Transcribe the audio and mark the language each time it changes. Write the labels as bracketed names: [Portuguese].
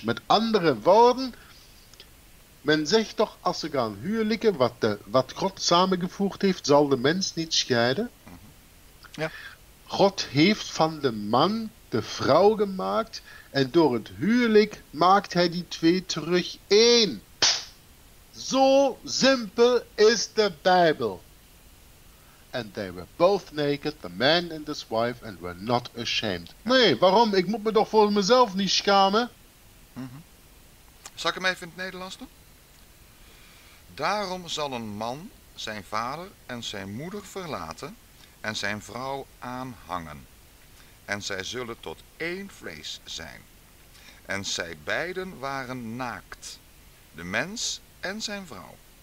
[Dutch] Met andere woorden, men zegt toch, als ze gaan huwelijken, wat God samengevoegd heeft, zal de mens niet scheiden. Ja. God heeft van de man de vrouw gemaakt en door het huwelijk maakt hij die twee terug één. Zo simpel is de Bijbel. [English] And they were both naked, the man and his wife, and were not ashamed. [Dutch] Nee, waarom? Ik moet me toch voor mezelf niet schamen. Mm-hmm. Zal ik hem even in het Nederlands doen? Daarom zal een man zijn vader en zijn moeder verlaten en zijn vrouw aanhangen. En zij zullen tot één vlees zijn. En zij beiden waren naakt, de mens en zijn vrouw.